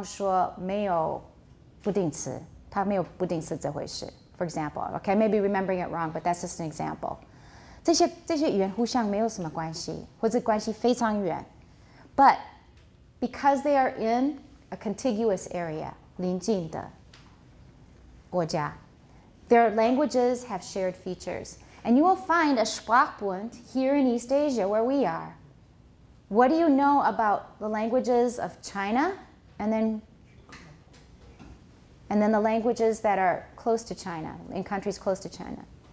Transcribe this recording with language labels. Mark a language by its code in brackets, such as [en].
[zh] 他们有一些共同的地方,比方说没有不定词. 他没有不定词这回事, [en] for example. Okay, maybe remembering it wrong, but that's just an example. [zh] 这些语言互相没有什么关系, 或者关系非常远. [en] But because they are in a contiguous area, [zh] 临近的, 国家. [en] Their languages have shared features. And you will find a Sprachbund here in East Asia, where we are. What do you know about the languages of China and then the languages that are close to China, in countries close to China?